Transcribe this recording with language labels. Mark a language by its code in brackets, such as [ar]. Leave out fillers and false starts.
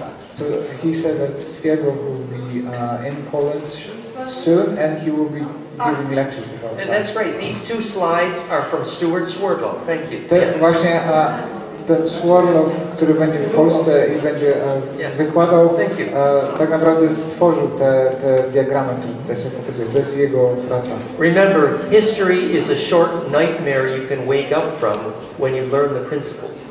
[en] So he said that Świerdłow will be in Poland soon, and he will be giving lectures about and that. And that's great. These two slides are from Stuart Swerdlow. Thank you. [pl] Właśnie ten Swerdlow, który będzie w Polsce i będzie wykładał, tak naprawdę stworzył te diagramy, które tutaj się pokazują. To jest jego praca. [en] Remember, history is a short nightmare you can wake up from when you learn the principles.